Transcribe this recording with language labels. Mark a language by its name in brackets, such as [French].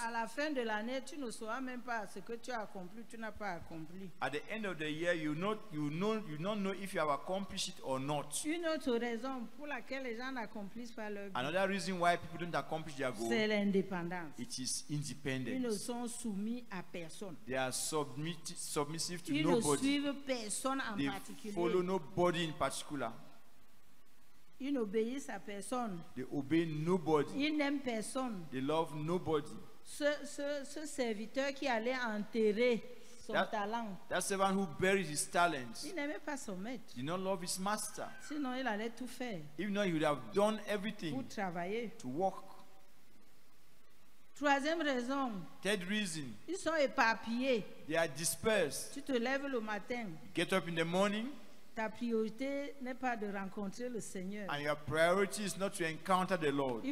[French] À la fin de l'année, tu ne sauras même pas ce que tu as accompli, tu n'as pas accompli. [English] At the end of the year, you don't know if you have accomplished it or not. [French] Une autre raison pour laquelle les gens n'accomplissent pas leur but. [English] Another reason why people don't accomplish their goal. [French] C'est l'indépendance. [English] It is independence. [French] Ils ne sont soumis à personne. [English] They are submissive to [French] ils [English] nobody. [French] Ils ne suivent personne en [English] they [French] particulier. [English] They follow nobody in particular. [French] Ils n'obéissent à personne. [English] They obey nobody. [French] Ils n'aiment personne. [English] They love nobody. [French] Ce serviteur qui allait enterrer son talent. [English] That servant who buried his talent. [French] Il n'aimait pas son maître. [English] Did not love his master. [French] Sinon, il allait tout faire. [English] Even though he would have done everything. [French] Pour travailler. [English] To work. [French] Troisième raison. [English] Third reason. [French] Ils sont éparpillés. [English] They are dispersed. [French] Tu te lèves le matin. [English] You get up in the morning. [French] Ta priorité n'est pas de rencontrer le Seigneur. [English] And your priority is not to encounter the Lord.